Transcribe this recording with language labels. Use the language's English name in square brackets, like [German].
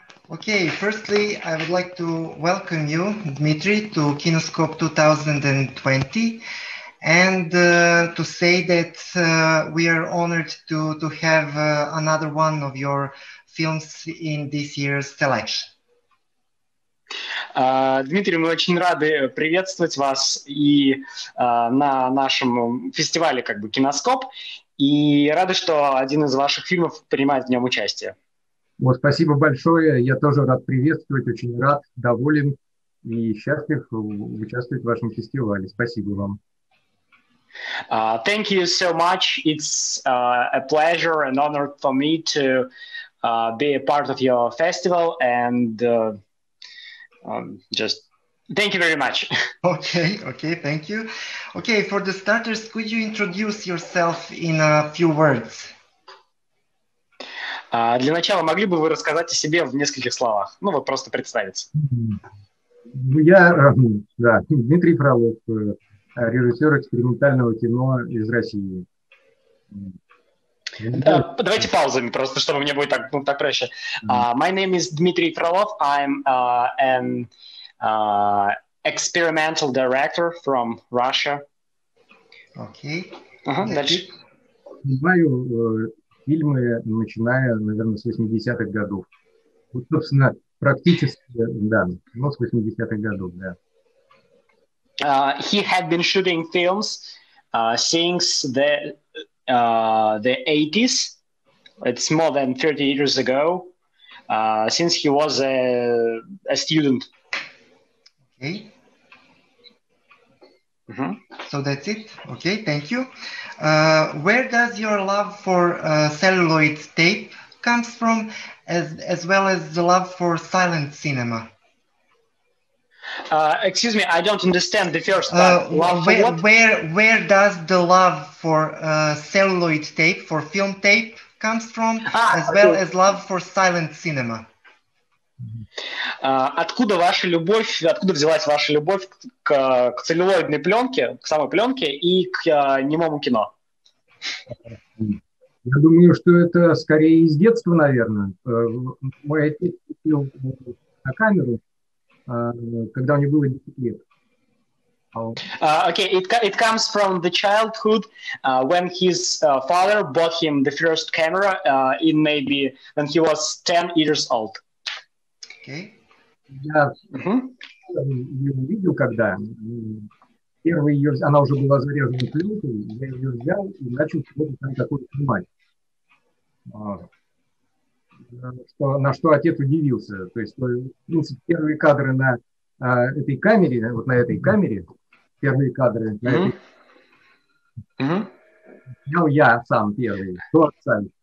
[English] Okay, firstly, I would like to welcome you, Dmitry, to Kinoscope 2020, and to say that we are honored to have another one of your films in this year's selection. [Russian] Дмитрий, мы очень рады приветствовать вас и на нашем фестивале как бы «Киноскоп», и рады, что один из ваших фильмов принимает в нем участие. Вот, спасибо большое, я тоже рад приветствовать, очень рад, доволен и счастлив участвовать в вашем фестивале. Спасибо вам. [English] Thank you so much. It's a pleasure and honor for me to be a part of your festival and just thank you very much. Okay, thank you. Okay, for the starters, could you introduce yourself in a few words? [Russian] Для начала, могли бы вы рассказать о себе в нескольких словах? Ну, вот просто представиться. Я, да, Дмитрий Фролов, режиссер экспериментального кино из России. Да, давайте паузами просто, чтобы мне будет так, ну, так проще. [English] My name is Дмитрий Фролов. I'm an experimental director from Russia. [Russian] Окей. Дальше. Снимаю фильмы, начиная, наверное, с 80-х годов. Вот, собственно, практически, да, но с 80-х годов, да. [English] He had been shooting films since the 80s. It's more than 30 years ago, since he was a student. Okay. Mm-hmm. So that's it. Okay, thank you. Where does your love for celluloid tape comes from, as well as the love for silent cinema? Excuse me, I don't understand the first part. Where does the love for celluloid tape, for film tape, comes from, as love for silent cinema? [Russian] Откуда ваша любовь, откуда взялась ваша любовь к целлюлоидной пленке, к самой пленке и к немому кино? Я думаю, что это скорее из детства, наверное. Мой отец купил на камеру, когда мне было 10 лет. [English] Okay, it comes from the childhood when his father bought him the first camera in maybe when he was 10 years old. Okay. [Russian] Я ее видел, когда первый ее, она уже была заряжена пленкой, я ее взял и начал что-то там такое снимать. На что отец удивился. То есть, в принципе, первые кадры на этой камере, вот на этой камере, первые кадры на этой снял я сам первый, то отца.